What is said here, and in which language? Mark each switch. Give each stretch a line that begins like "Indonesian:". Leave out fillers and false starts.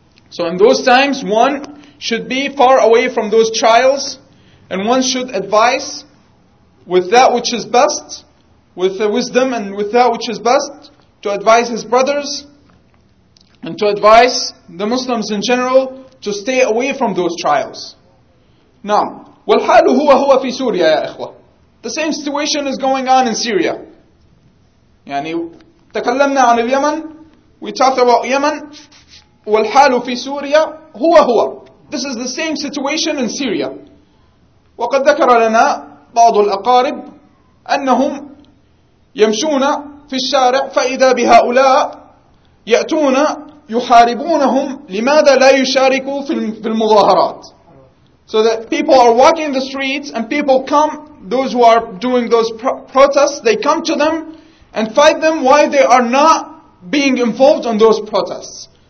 English: So in those times, one should be far away from those trials, and one should advise with that which is best, with the wisdom and with that which is best, to advise his brothers and to advise the Muslims in general to stay away from those trials.
Arabic: نعم. والحال هو في سوريا يا إخوة.
English: The same situation is going on in Syria.
Arabic: يعني تكلمنا عن اليمن.
English: We talked about Yemen.
Arabic: والحال في سوريا هو.
English: This is the same situation in Syria.
Arabic: وقد ذكر لنا بعض الأقارب أنهم يمشون في الشارع فإذا بهؤلاء يأتون يحاربونهم لماذا لا يشاركوا في المظاهرات.
English: So that people are walking in the streets and people come, those who are doing those protests, they come to them and fight them why they are not being involved in those protests.